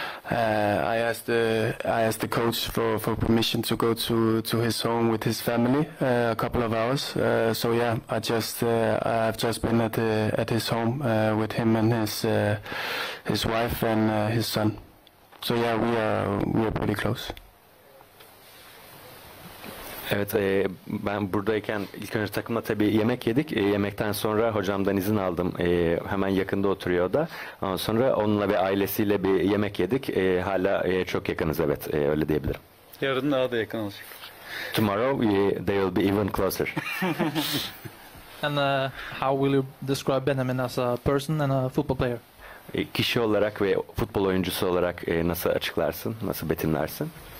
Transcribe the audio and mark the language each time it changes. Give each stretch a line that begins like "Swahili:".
English: I asked the coach for permission to go to his home with his family a couple of hours. I've just been at his home with him and his wife and his son. So yeah, we are pretty close.
Turkish: Evet, ben buradayken ilk önce takımla tabii yemek yedik. Yemekten sonra hocamdan izin aldım. Hemen yakında oturuyor da. Ondan sonra onunla ve ailesiyle bir yemek yedik. Hala çok yakınız, evet. Öyle diyebilirim. Yarın daha da yakın olacak.
English: Tomorrow they will be even closer. And how will you describe Benjamin as a person and a football player?
Turkish: Kişi olarak ve futbol oyuncusu olarak nasıl açıklarsın, nasıl betimlersin?